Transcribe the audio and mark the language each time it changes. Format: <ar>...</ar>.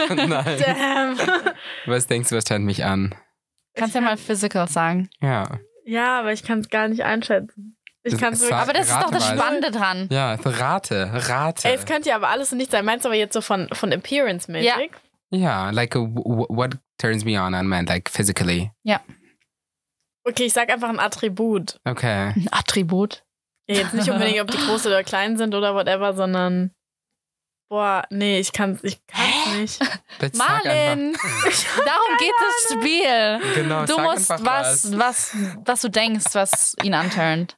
<de>Nein.</de> <en>Damn.</en> <de>Was denkst du, was tönt mich an? Kannst du ja mal</de> <en>physical</en> <de>sagen. Ja. Ja, aber ich kann es gar nicht einschätzen. Das ist doch das Spannende dran. Ja, rate. Ey, es könnte ja aber alles und nichts sein. Meinst du aber jetzt so von Appearance-mäßig?</de> <en>Ja, what turns me on man, like physically?</en> <de>Ja. Okay, ich sag einfach ein Attribut. Okay. Ein Attribut? Ja, jetzt nicht unbedingt, ob die groß oder klein sind oder whatever, sondern... Boah, nee, ich kann's nicht. Bitte, Marlin! Darum geht das Spiel. Genau, du musst was du denkst, was ihn anturnt.</de>